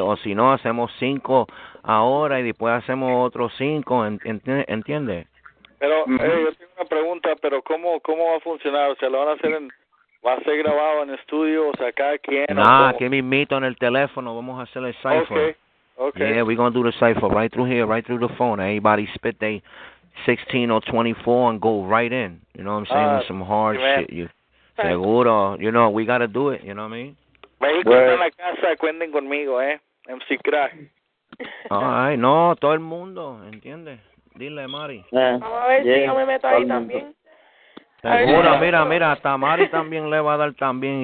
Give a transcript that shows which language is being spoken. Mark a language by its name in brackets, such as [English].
[Spanish] O si no, hacemos 5 ahora y después hacemos otros 5, ¿entiendes? Pero, yo tengo una pregunta, pero ¿cómo va a funcionar? O sea, ¿lo van a hacer va a ser grabado en estudio, o sea, cada quien? Nah, aquí mismito en el teléfono, vamos a hacer el cipher. [English] Okay. Yeah, we're gonna do the cipher right through here, right through the phone. Anybody spit they 16 or 24 and go right in. You know what I'm saying? With some hard man. Shit. You, seguro. You know, we gotta do it. You know what I mean? [Spanish] México está en la casa, cuenten conmigo, MC Kraj. Ay, no, todo el mundo, ¿entiendes? Dile, Mari. Vamos a ver si yo me meto ahí también. Seguro, mira, hasta Mari también le va a dar también.